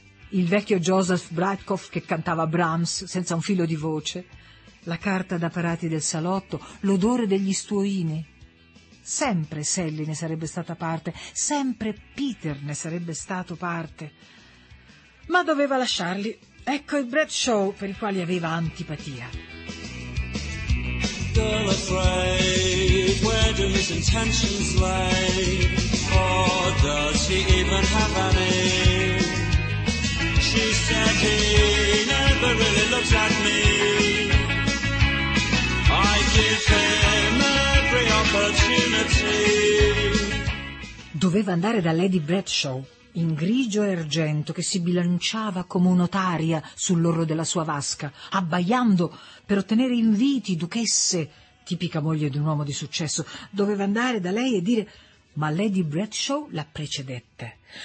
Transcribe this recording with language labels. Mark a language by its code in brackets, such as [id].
[it] Il vecchio Joseph Breitkopf che cantava Brahms senza un filo di voce, la carta da parati del salotto, l'odore degli stuoini. Sempre Sally ne sarebbe stata parte, sempre Peter ne sarebbe stato parte. Ma doveva lasciarli. Ecco i Bradshaw per i quali aveva antipatia. [en] Girl afraid, where do his intentions lay? Or does he even have any? She said he never really looks at me. I give him every opportunity. [it] Doveva andare da Lady Bradshaw. In grigio e argento, che si bilanciava come un'otaria sull'orlo della sua vasca, abbaiando per ottenere inviti, duchesse, tipica moglie di un uomo di successo, doveva andare da lei e dire: ma Lady Bradshaw la precedette.